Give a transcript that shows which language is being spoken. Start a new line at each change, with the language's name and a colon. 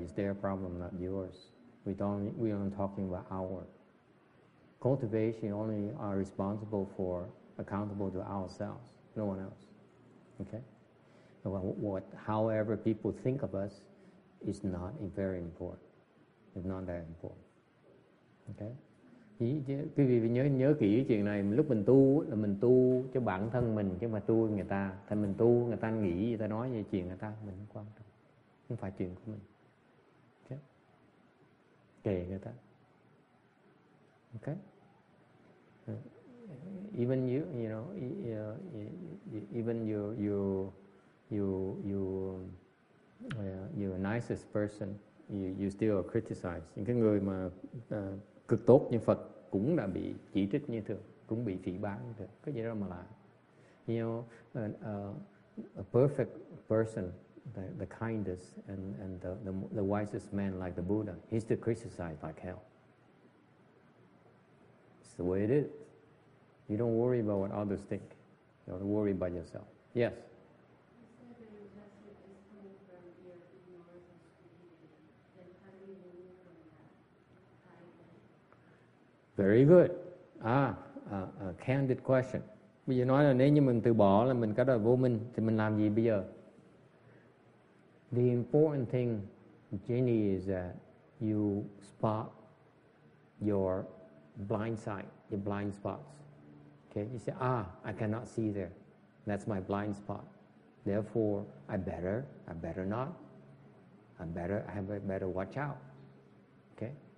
English: It's their problem, not yours. We're only talking about our cultivation. Only are responsible for, accountable to ourselves, no one else. Okay? However people think of us is not very important. It's not that important. Okay?
Vietnamese: Quý vị nhớ nhớ kỹ chuyện này. Lúc mình tu là mình tu cho bản thân mình chứ mà tu người ta. Thành mình tu người ta nghĩ người ta nói về chuyện người ta mình không quan trọng. Không phải chuyện của mình. Okay? Kể người ta. Okay?
English: Even you're nicest person, you still are criticized.
Vietnamese: Những cái người mà cực tốt như Phật cũng đã bị chỉ trích như thường, cũng bị phỉ báng như thường. Cái gì đó mà lạ.
English: You know, a perfect person, the kindest and the wisest man like the Buddha, he's still criticized like hell. It's the way it is. You don't worry about what others think. You don't worry about yourself. Yes. Very good. A candid question.
Vietnamese: Bây giờ nói là nếu như mình từ bỏ là mình có đời vô minh, thì mình làm gì bây giờ?
English: The important thing, Jenny, is that you spot your blind side, your blind spots. Okay? You say, I cannot see there. That's my blind spot. Therefore, I better not. I better watch out. Okay?